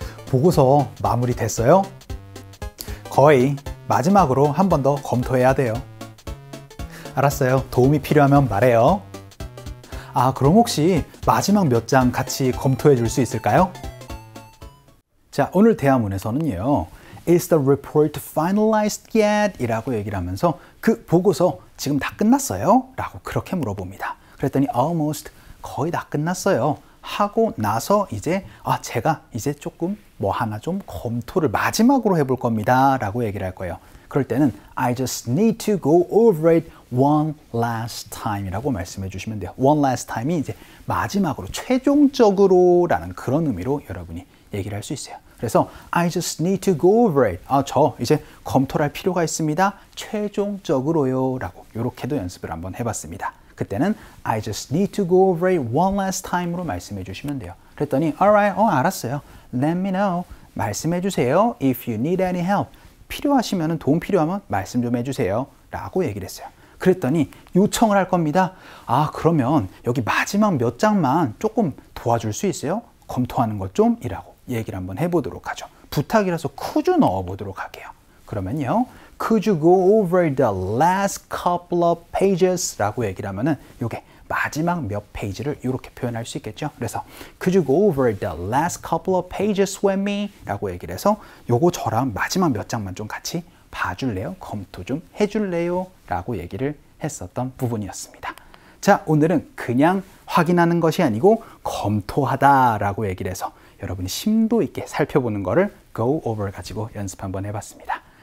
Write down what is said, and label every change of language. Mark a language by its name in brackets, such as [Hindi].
[Korean] 보고서 마무리 됐어요? 거의 마지막으로 한 번 더 검토해야 돼요. 알았어요. 도움이 필요하면 말해요. 아, 그럼 혹시 마지막 몇 장 같이 검토해 줄 수 있을까요? 자, 오늘 대화문에서는요. [English] Is the report finalized yet? [Korean] 이라고 얘기를 하면서 그 보고서 지금 다 끝났어요? 라고 그렇게 물어봅니다. 그랬더니 almost 거의 다 끝났어요. 하고 나서 이제 아 제가 이제 조금 뭐 하나 좀 검토를 마지막으로 해볼 겁니다 라고 얘기를 할 거예요. 그럴 때는 [English] I just need to go over it one last time [Korean] 이라고 말씀해 주시면 돼요. [English] One last time [Korean] 이 이제 마지막으로 최종적으로 라는 그런 의미로 여러분이 얘기를 할 수 있어요. 그래서 [English] I just need to go over it. [Korean] 아, 저 이제 검토를 할 필요가 있습니다. 최종적으로요 라고 이렇게도 연습을 한번 해봤습니다. 그때는 [English] I just need to go over it one last time으로 [Korean] 말씀해 주시면 돼요. 그랬더니 [English] alright, [Korean] 알았어요. [English] Let me know. [Korean] 말씀해 주세요. [English] If you need any help. [Korean] 필요하시면 도움 필요하면 말씀 좀 해주세요. 라고 얘기를 했어요. 그랬더니 요청을 할 겁니다. 아 그러면 여기 마지막 몇 장만 조금 도와줄 수 있어요? 검토하는 것 좀? 이라고 얘기를 한번 해보도록 하죠. 부탁이라서 [English] could you [Korean] 넣어보도록 할게요. 그러면요. [English] Could you go over the last couple of pages? [Korean] 라고 얘기를 하면은 요게 마지막 몇 페이지를 이렇게 표현할 수 있겠죠. 그래서 [English] Could you go over the last couple of pages with me? [Korean] 라고 얘기를 해서 요거 저랑 마지막 몇 장만 좀 같이 봐줄래요? 검토 좀 해줄래요? 라고 얘기를 했었던 부분이었습니다. 자, 오늘은 그냥 확인하는 것이 아니고 검토하다 라고 얘기를 해서 여러분이 심도 있게 살펴보는 거를 go over 가지고 연습 한번 해봤습니다.